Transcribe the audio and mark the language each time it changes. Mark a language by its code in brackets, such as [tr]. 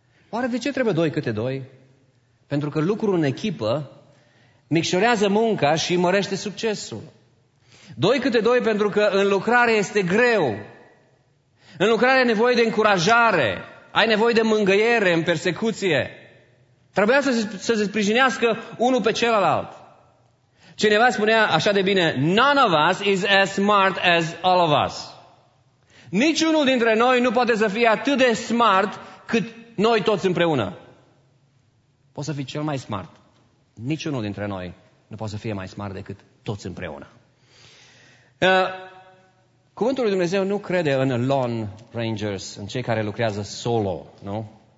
[ro] Oare de ce trebuie doi câte doi? Pentru că lucrul în echipă micșorează munca și mărește succesul. Doi câte doi pentru că în lucrare este greu. În lucrare ai nevoie de încurajare. Ai nevoie de mângâiere în persecuție. Trebuia să se sprijinească unul pe celălalt. Cineva spunea așa de bine, [en] none of us is as smart as all of us. [ro] Niciunul dintre noi nu poate să fie atât de smart cât noi toți împreună. Poți să fii cel mai smart. Niciunul dintre noi nu poate să fie mai smart decât toți împreună. Cuvântul lui Dumnezeu nu crede în Lone Rangers, în cei care lucrează solo, nu?